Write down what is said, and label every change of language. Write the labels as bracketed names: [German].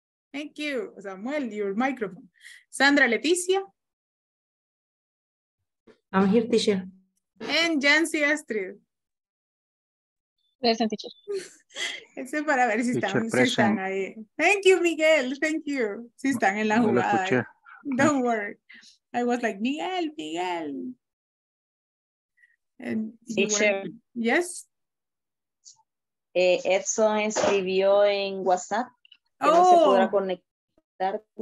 [English] Thank you. Samuel, your microphone. Sandra Leticia. I'm here, teacher. And Jancy Astrid. Present, teacher. [Spanish] Ese es para ver si están, teacher, si están ahí. [English] Thank you, Miguel. Thank you. [Spanish] Si están en la jugada. [English] No, don't worry. I was like, Miguel, Miguel. And teacher. Yes? [Spanish] Edson escribió en WhatsApp que no se podrá conectar.